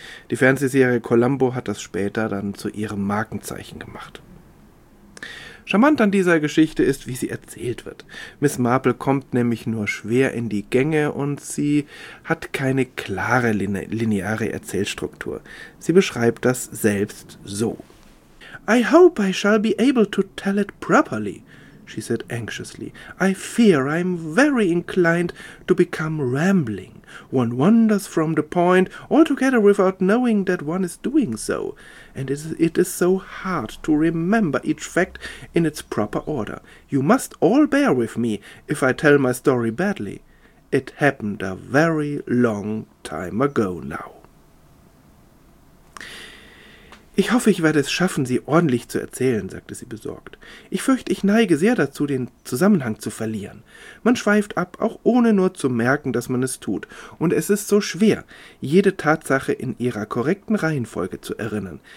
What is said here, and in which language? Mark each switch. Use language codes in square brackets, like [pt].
[de] Die Fernsehserie Columbo hat das später dann zu ihrem Markenzeichen gemacht. Charmant an dieser Geschichte ist, wie sie erzählt wird. Miss Marple kommt nämlich nur schwer in die Gänge und sie hat keine klare lineare Erzählstruktur. Sie beschreibt das selbst so. [en] I hope I shall be able to tell it properly, she said anxiously. I fear I'm very inclined to become rambling. One wanders from the point altogether without knowing that one is doing so, and it is so hard to remember each fact in its proper order. You must all bear with me if I tell my story badly. It happened a very long time ago now. [de] Ich hoffe, ich werde es schaffen, sie ordentlich zu erzählen, sagte sie besorgt. Ich fürchte, ich neige sehr dazu, den Zusammenhang zu verlieren. Man schweift ab, auch ohne nur zu merken, dass man es tut. Und es ist so schwer, jede Tatsache in ihrer korrekten Reihenfolge zu erinnern.